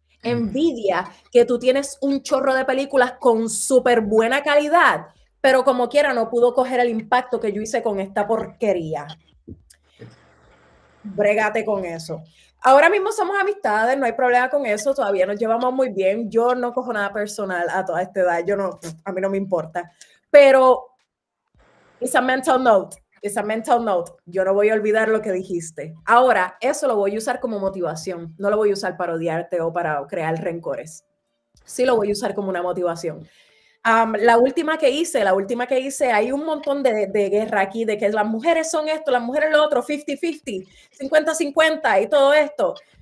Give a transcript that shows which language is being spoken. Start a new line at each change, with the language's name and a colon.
Spanish: Envidia que tú tienes un chorro de películas con súper buena calidad, pero como quiera no pudo coger el impacto que yo hice con esta porquería. Brégate con eso. Ahora mismo somos amistades, no hay problema con eso, todavía nos llevamos muy bien. Yo no cojo nada personal a toda esta edad, yo no, a mí no me importa.
English: Pero it's a mental note, it's a mental note.
Spanish: Yo no voy a olvidar lo que dijiste. Ahora, eso lo voy a usar como motivación. No lo voy a usar para odiarte o para crear rencores. Sí lo voy a usar como una motivación. La última que hice, hay un montón de guerra aquí, de que las mujeres son esto, las mujeres lo otro, 50-50, 50-50 y todo esto.